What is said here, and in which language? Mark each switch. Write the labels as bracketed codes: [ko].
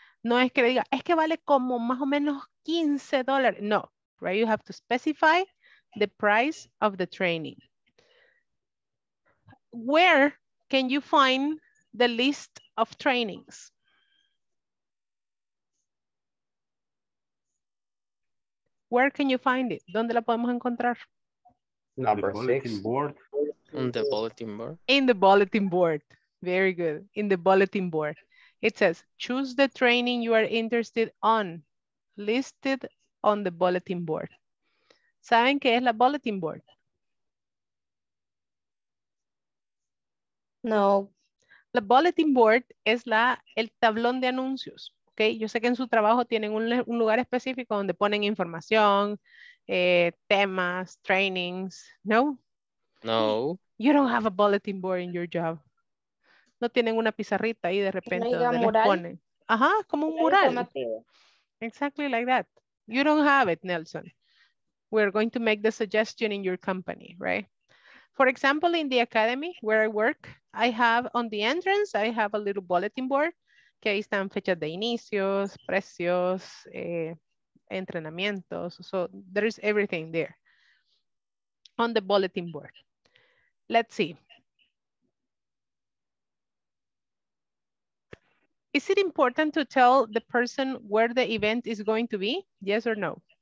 [es] No es que diga, es que vale como más o menos $15. [en] No, right? You have to specify the price of the training. Where can you find the list of trainings? Where can you find it? [es] ¿Dónde la podemos encontrar? [en] Number six. On the bulletin board. In the bulletin board. Very good. In the bulletin board. It says, choose the training you are interested on, listed on the bulletin board. [es] ¿Saben qué es la bulletin board? No. La bulletin board es el tablón de anuncios. Okay, yo sé que en su trabajo tienen un lugar específico donde ponen información, temas, trainings. No. No. [en] You don't have a bulletin board in your job. [es] No tienen una pizarrita ahí de repente donde les ponen. Ajá, como un mural. [en] Exactly like that. You don't have it, Nelson. We're going to make the suggestion in your company, right? For example, in the academy where I work, I have on the entrance, I have a little bulletin board. [es] Que ahí están fechas de inicios, precios, entrenamientos. [en] So there is everything there on the bulletin board. Let's see. Is it important to tell the person where the event is going to be? Yes or no?